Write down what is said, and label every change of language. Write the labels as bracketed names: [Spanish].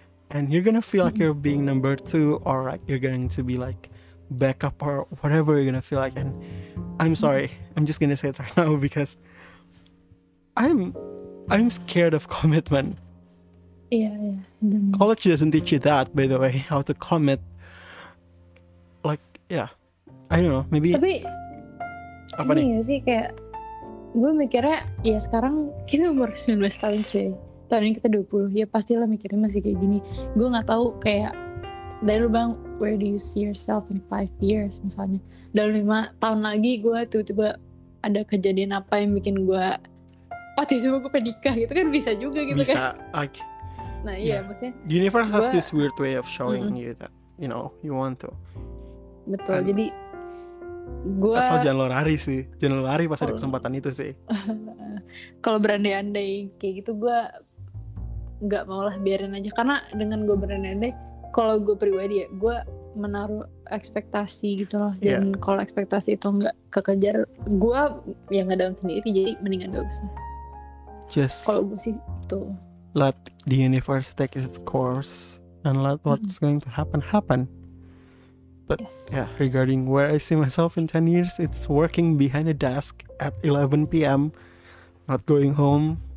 [English] And you're gonna feel like you're being number two, or like you're going to be like backup or whatever you're gonna feel like. And I'm sorry, I'm just gonna say it right now, because I'm scared of commitment. Yeah. College doesn't teach you that, by the way, how to commit. Like, yeah, I don't know, maybe. [Indonesian] Tapi apa ini nih? Ya sih, kayak gue mikirnya, ya sekarang kita umur 19 tahun cuy, tahun ini kita 20, ya pastilah mikirnya masih kayak gini. Gue gak tahu kayak dari lubang, [English] where do you see yourself in 5 years [Indonesian] misalnya, dalam 5 tahun lagi gue tiba-tiba ada kejadian apa yang bikin gue, oh tiba-tiba gue pernikah gitu kan, bisa juga gitu, bisa, kan bisa. Nah iya, maksudnya [English] the universe has this weird way of showing you that you know you want to. [Indonesian] Betul. And jadi gue asal jangan lo lari sih, jangan lo lari pas ada kesempatan itu sih. Kalau berandai-andai kayak gitu, gue nggak mau lah, biarin aja. Karena dengan gue berandai-andai, kalau gue pribadi ya, gue menaruh ekspektasi gitu loh, dan kalau ekspektasi itu nggak kekejar, gue yang nggak down sendiri, jadi mendingan gak usah. [English] Just [Indonesian] kalau gue sih tuh, [English] let the universe take its course and let what's going to happen happen. But yeah, regarding where I see myself in 10 years, it's working behind a desk at 11 p.m, not going home.